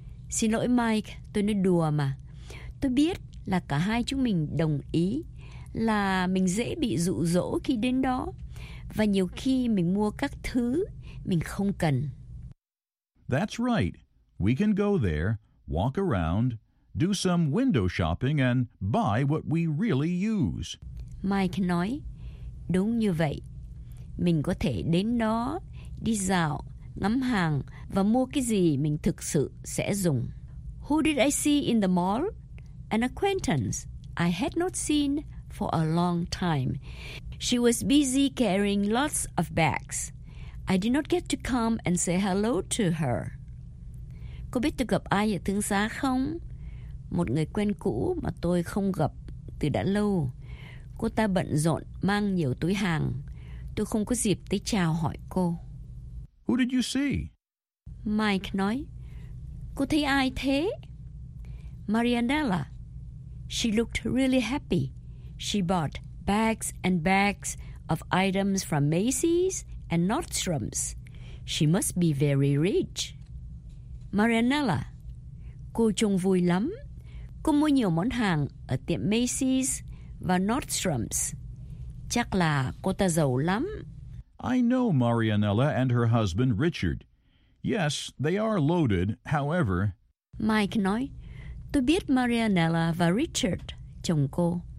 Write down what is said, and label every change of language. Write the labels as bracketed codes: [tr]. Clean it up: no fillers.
[vi] Xin lỗi Mike, tôi nói đùa mà. Tôi biết là cả hai chúng mình đồng ý là mình dễ bị dụ dỗ khi đến đó, và nhiều khi mình mua các thứ mình không cần. [en] That's right. We can go there, walk around, do some window shopping and buy what we really use. [vi] Mike nói, đúng như vậy. Mình có thể đến đó, đi dạo, ngắm hàng và mua cái gì mình thực sự sẽ dùng. [en] Who did I see in the mall? An acquaintance I had not seen for a long time. She was busy carrying lots of bags. I did not get to come and say hello to her. [vi] Cô biết tôi gặp ai ở thương xá không? Một người quen cũ mà tôi không gặp từ đã lâu. Cô ta bận rộn mang nhiều túi hàng. Tôi không có dịp tới chào hỏi cô. [en] Who did you see? [vi] Mike nói, cô thấy ai thế? Marianella. [en] She looked really happy. She bought bags and bags of items from Macy's and Nordstrom's. She must be very rich. Marianella. [vi] Cô trông vui lắm. Cô mua nhiều món hàng ở tiệm Macy's và Nordstrom's. Chắc là cô ta giàu lắm. [en] I know Marianella and her husband, Richard. Yes, they are loaded, however. [vi] Mike nói, tôi biết Marianella và Richard, chồng cô.